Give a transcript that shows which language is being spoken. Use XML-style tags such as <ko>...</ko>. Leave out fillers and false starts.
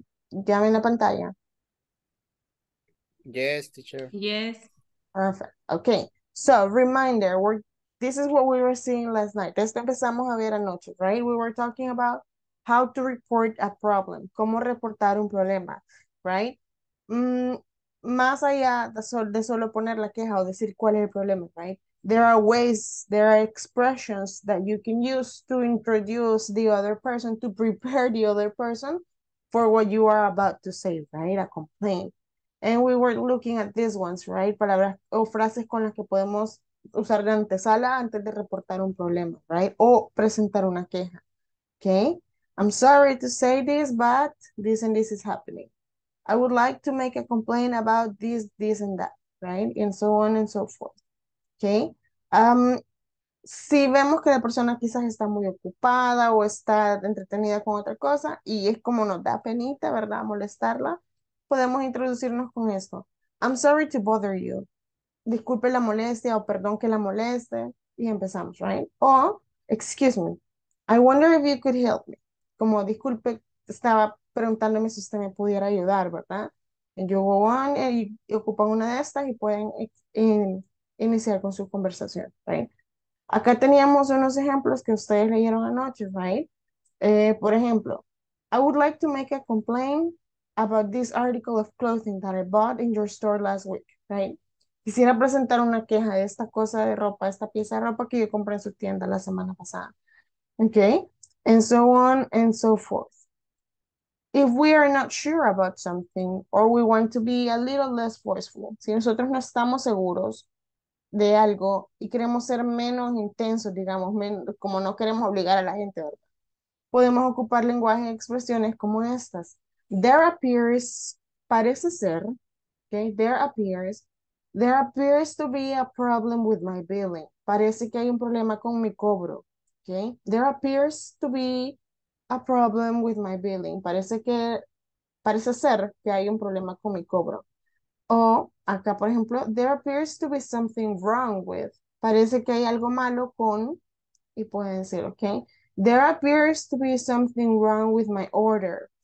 <es>¿Ya ven la pantalla?</es> <en>Yes, teacher. Yes. Perfect. Okay. So, reminder, this is what we were seeing last night.</en> <es>Esto empezamos a ver anoche,</es> <en>right? We were talking about how to report a problem.</en> <es>¿Cómo reportar un problema? Right? Más allá de solo poner la queja o decir cuál es el problema, right?</es> <en>There are ways, there are expressions that you can use to introduce the other person, to prepare the other person for what you are about to say, right? A complaint. And we were looking at these ones, right?</en> <es>Palabras o frases con las que podemos usar de antesala antes de reportar un problema, right? O presentar una queja, okay?</es> <en>I'm sorry to say this, but this and this is happening. I would like to make a complaint about this, this and that, right? And so on and so forth, okay?</en> <es>Si vemos que la persona quizás está muy ocupada o está entretenida con otra cosa y es como nos da penita, ¿verdad? Molestarla, podemos introducirnos con esto.</es> <en>I'm sorry to bother you.</en> <es>Disculpe la molestia o perdón que la moleste. Y empezamos, right?</es> <en>O, excuse me. I wonder if you could help me.</en> <es>Como disculpe, estaba preguntándome si usted me pudiera ayudar, ¿verdad?</es> <en>And you go on</en> <es>y ocupan una de estas y pueden iniciar con su conversación, right? Acá teníamos unos ejemplos que ustedes leyeron anoche, right? Por ejemplo,</es> <en>I would like to make a complaint about this article of clothing that I bought in your store last week, right?</en> <es>Quisiera presentar una queja de esta cosa de ropa, esta pieza de ropa que yo compré en su tienda la semana pasada, okay?</es> <en>And so on and so forth. If we are not sure about something or we want to be a little less forceful,</en> <es>si nosotros no estamos seguros de algo y queremos ser menos intensos, digamos, como no queremos obligar a la gente, ¿verdad? Podemos ocupar lenguaje y expresiones como estas.</es> <en>There appears,</en> <es>parece ser, okay?</es> <en>There appears to be a problem with my billing.</en> <es>Parece que hay un problema con mi cobro, okay?</es> <en>There appears to be a problem with my billing.</en> <es>Parece ser que hay un problema con mi cobro. O acá, por ejemplo,</es> <en>there appears to be something wrong with.</en> <es>Parece que hay algo malo con, y pueden decir, okay?</es> <en>There appears to be something wrong with my order.</en>